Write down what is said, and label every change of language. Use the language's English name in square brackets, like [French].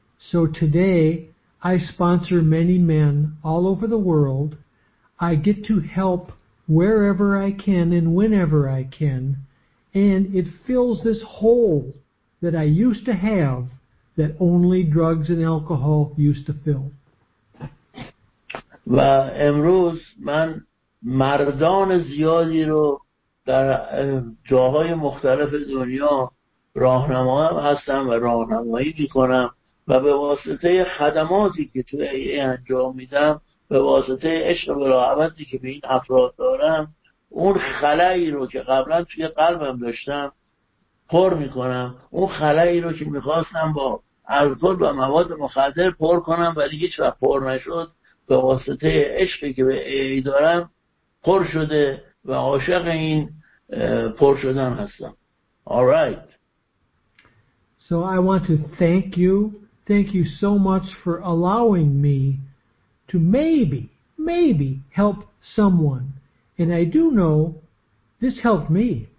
[English] So today I sponsor many men all over the world. I get to help wherever I can and whenever I can, and it fills this hole that I used to have that only drugs and alcohol used to fill. [Persian] و امروز من مردان زیادی رو در جاهای مختلف دنیا راهنمایی هستم و راهنمایی می‌کنم و به واسطه خدماتی که تو AA انجام میدم، به واسطه عشق و ملاحظتی که به این افراد دارم، اون خلایی رو که قبلا توی قلبم داشتم پر میکنم، اون خلایی رو که میخواستم با الکل و مواد مخدر پر کنم ولی هیچ وقت پر نشد، به واسطه عشقی که به AA دارم پر شده و عاشق این پر شدن هستم. [English] Alright. So I want to thank you. Thank you so much for allowing me to maybe help someone. And I do know this helped me.